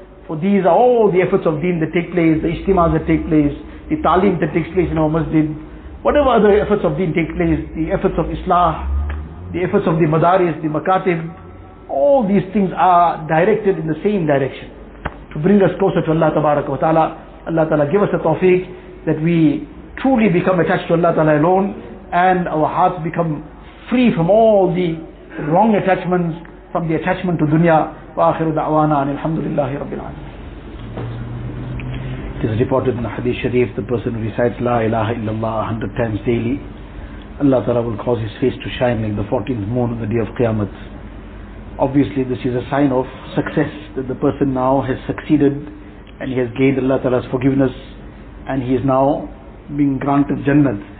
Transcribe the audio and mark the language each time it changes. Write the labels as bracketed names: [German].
[English] For these are all the efforts of deen that take place, the ijtimaas that take place, the ta'lim that takes place in our masjid, whatever other efforts of deen take place, the efforts of islah, the efforts of the madaris, the makatib, all these things are directed in the same direction to bring us closer to Allah tabarak wa ta'ala. Allah ta'ala give us a tawfiq that we truly become attached to Allah ta'ala alone, and our hearts become free from all the wrong attachments, from the attachment to dunya. [Arabic] وآخر دعوانا أن الحمد لله رب العالمين. [English] It is reported in the Hadith Sharif, the person who recites La ilaha illallah 100 times daily, Allah Ta'ala will cause his face to shine like the 14th moon on the day of Qiyamah. Obviously this is a sign of success, that the person now has succeeded and he has gained Allah Ta'ala's forgiveness and he is now being granted Jannat.